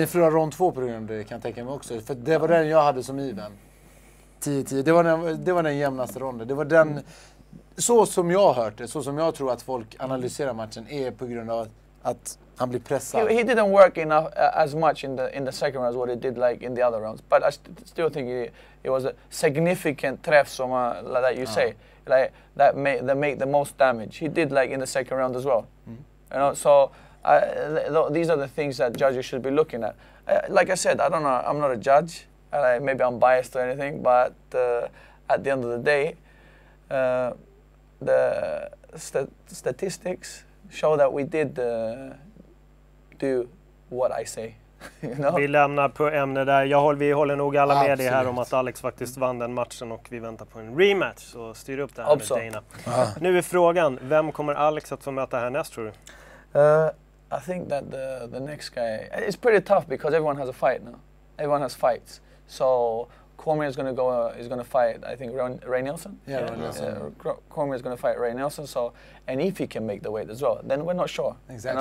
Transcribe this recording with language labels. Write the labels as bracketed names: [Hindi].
[Swedish] ni förlorade round 2 på grund av det, kan tänka mig också, för det var den jag hade som even 10-10. Det var den jämnaste ronden, det var den så som jag hört det, så som jag tror att folk analyserar matchen, är på grund av att han blir pressad. [English] He didn't work enough as much in the second round as what he did like in the other rounds. But I still think it was a significant [Swedish] träff som [English] like that you say, like that make the most damage. He did like in the second round as well. Mm. You know, so these are the things that judges should be looking at. Like I said, I don't know. I'm not a judge. Like, maybe I'm biased or anything. But at the end of the day, the statistics show that we did do what I say. You know? [Swedish] Vi lämnar på ämne där. Vi håller nog alla med dig här om att Alex faktiskt vann den matchen och vi väntar på en rematch. Så styr upp det här med Dana. Nu är frågan, vem kommer Alex att få möta här näst, tror du? [English] I think that the next guy, it's pretty tough because everyone has a fight now. Everyone has fights. So Cormier is going to go, he's going to fight, I think, Ray Nelson. Cormier is going to fight Ray Nelson. So, and if he can make the weight as well, then we're not sure. Exactly.